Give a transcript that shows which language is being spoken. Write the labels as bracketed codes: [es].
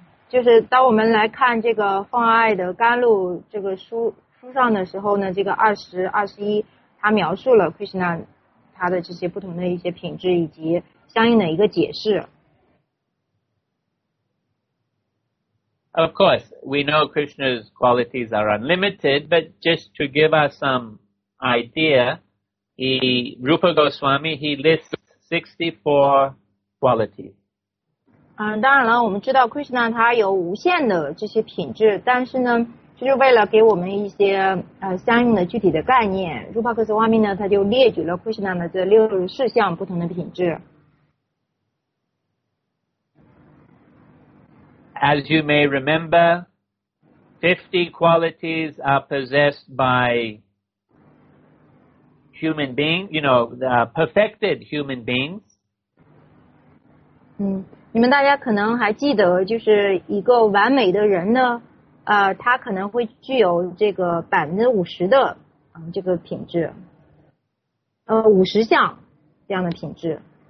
[zh] 就是当我们来看这个奉爱的甘露这个书上的时候呢，这个20、21，他描述了 Krishna 他的这些不同的一些品质以及相应的一个解释。 [en] Of course, we know Krishna's qualities are unlimited, but just to give us some idea, Rupa Goswami lists 64 qualities. [zh] 当然了，我们知道 Krishna 他有无限的这些品质，但是呢。就是为了给我们一些相应的具体的概念 Rupa Goswami 呢他就列举了 Krishna 的这64项不同的品质 [en] As you may remember 50 qualities are possessed by human beings you know the perfected human beings [zh] 你们大家可能还记得就是一个完美的人呢他可能会具有这个50%的这个品质50项这样的品质